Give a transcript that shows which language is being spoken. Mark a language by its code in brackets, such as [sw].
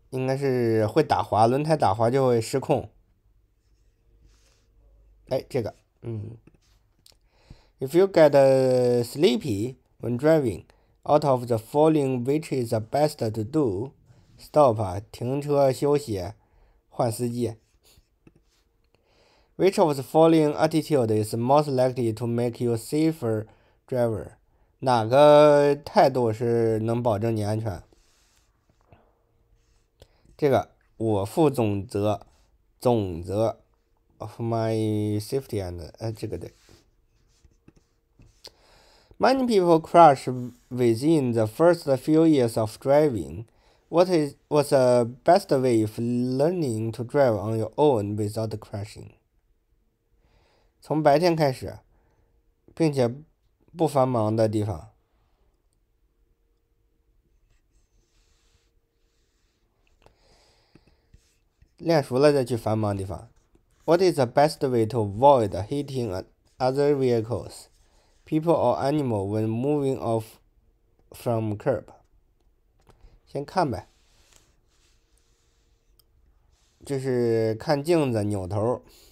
[zh] 应该是会打滑，轮胎打滑就会失控。哎，这个， [en] If you get sleepy when driving, out of the falling, which is the best to do? Stop， [zh] 停车休息，换司机。 [en] Which of the following attitude is most likely to make you safer driver？ [zh] 哪个态度是能保证你安全？这个我负总责，总责 [en] of my safety and [zh] 这个对。 [en] Many people crash within the first few years of driving. What's the best way of learning to drive on your own without crashing？ [zh] 从白天开始，并且不繁忙的地方。练熟了再去繁忙的地方。 [en] What is the best way to avoid hitting other vehicles, people or animal when moving off from curb？ [zh] 先看呗，就是看镜子，扭头。